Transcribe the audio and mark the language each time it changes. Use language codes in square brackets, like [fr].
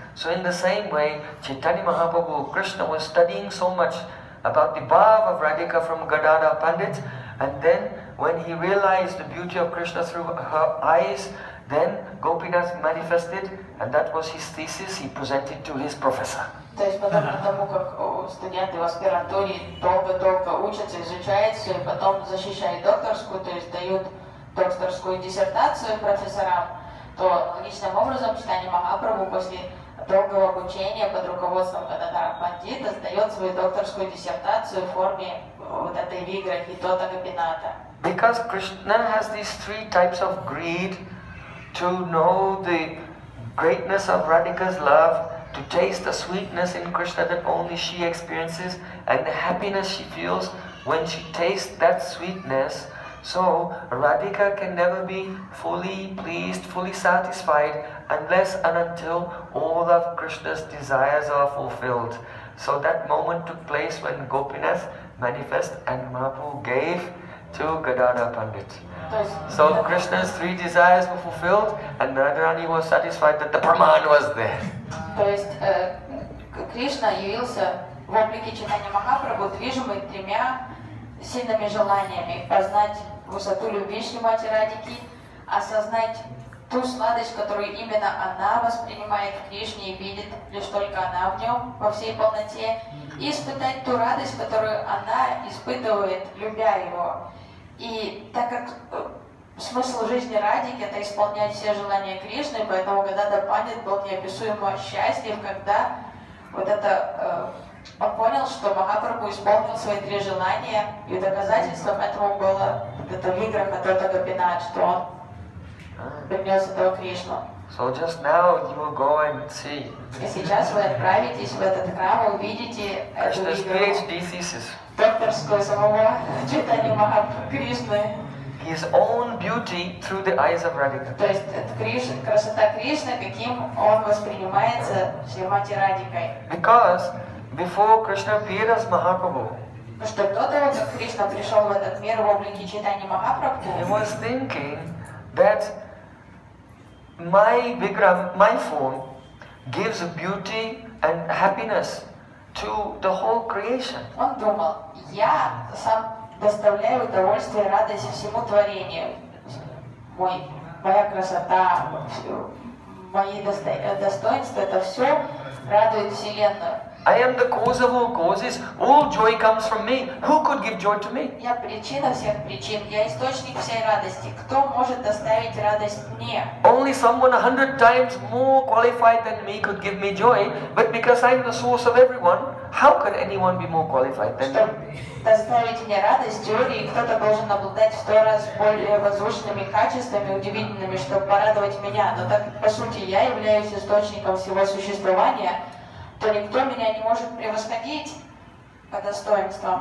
[en] So in the same way, Chaitanya Mahaprabhu Krishna was studying so much about the bhava of Radhika from Gadara Pandit, and then when he realized the beauty of Krishna through her eyes, then Gopinath manifested, and that was his thesis he presented to his professor. [ru] То есть потом, потому как студенты в аспирантуре долго-долго учатся, изучают все, и потом защищают докторскую, то есть дают докторскую диссертацию профессорам, то логичным образом Чайтанья Махапрабху после долгого обучения под руководством Гададхара Пандита сдает свою докторскую диссертацию в форме вот этой виграхи Тота Гопината. [en] Because Krishna has these three types of greed to know the greatness of Radhika's love, to taste the sweetness in Krishna that only she experiences and the happiness she feels when she tastes that sweetness, so Radhika can never be fully pleased, fully satisfied unless and until all of Krishna's desires are fulfilled. So that moment took place when Gopinath manifested and Mahaprabhu gave to Gadadhara Pandit. So Krishna's three desires were fulfilled and Radharani was satisfied that the Brahman was there. [ru] То есть Кришна явился в облике Чайтанья Махапрабху, движимый тремя сильными желаниями: познать высоту любви Шри Мати Радхики, осознать ту сладость, которую именно она воспринимает в Кришне и видит лишь только она в нем во всей полноте, и испытать ту радость, которую она испытывает, любя его. И так как смысл жизни Радхики — это исполнять все желания Кришны, поэтому Гададхара Пандит был неописуемо счастлив, когда вот это он понял, что Махапрабху исполнил свои три желания, и доказательством этого было вот это виграха Тота Гопинат, что он принес этого Кришну. [en] So just now you will go and see. [ru] И сейчас вы отправитесь в этот храм и увидите эту виграху. Докторскую самого Чайтанья Махапрабху Кришны. [en] His own beauty through the eyes of Radhika. [ru] То есть Кришна, красота Кришны, каким он воспринимается Шримати Радхикой. [en] Because before Krishna appeared as Mahaprabhu. [ru] Потому что до того, как Кришна пришел в этот мир в облике Чайтанья Махапрабху. [en] He was thinking that my vigra, my form, gives beauty and happiness to the whole creation. [ru] Он думал, я сам доставляю удовольствие и радость всему творению. Моя красота, мои достоинства — это все радует Вселенную. [en] I am the cause of all causes. All joy comes from me. Who could give joy to me? [ru] Я причина всех причин. Я источник всей радости. Кто может доставить радость мне? [en] Only someone 100 times more qualified than me could give me joy. But because I am the source of everyone, how could anyone be more qualified than me? [ru] Доставить мне радость, теории, кто-то должен обладать в 100 раз более возвышенными качествами, удивительными, чтобы порадовать меня. Но так, по сути, я являюсь источником всего существования, то никто меня не может превосходить по достоинствам.